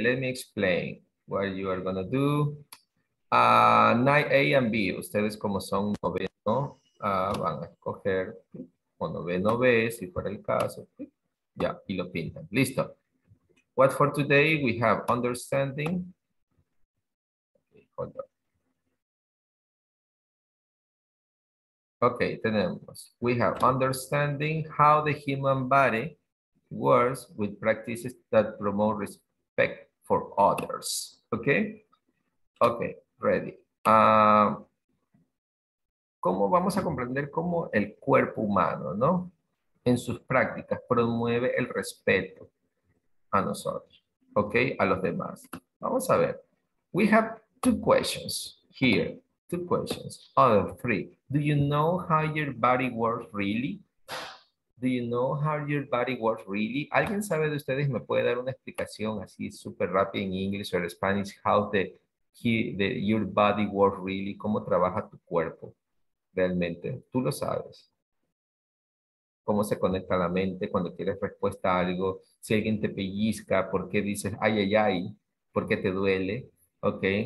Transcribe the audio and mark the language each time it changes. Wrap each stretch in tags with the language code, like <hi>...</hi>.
<en>Let me explain what you are going to do. 9A and B.</en> <es>Ustedes como son noveno, van a escoger, o noveno B, si fuera el caso. Ya,</es> <en>yeah,</en> <es>y lo pintan. Listo.</es> <en>What's for today? We have understanding. Okay, hold on.</en> <es>Okay, tenemos.</es> <en>We have understanding how the human body words with practices that promote respect for others. Okay? Okay, ready.</en> <es>¿Cómo vamos a comprender cómo el cuerpo humano, ¿no? En sus prácticas promueve el respeto a nosotros, okay? A los demás. Vamos a ver.</es> <en>We have two questions here. Two questions. Out of three. Do you know how your body works really? Do you know how your body works really?</en> <es>¿Alguien sabe de ustedes? ¿Me puede dar una explicación así súper rápida en inglés o en español?</es> <en>How the your body works really?</en> <es>¿Cómo trabaja tu cuerpo realmente? Tú lo sabes. ¿Cómo se conecta la mente cuando quieres respuesta a algo? Si alguien te pellizca, ¿por qué dices ay, ay, ay? ¿Por qué te duele? ¿Ok?</es>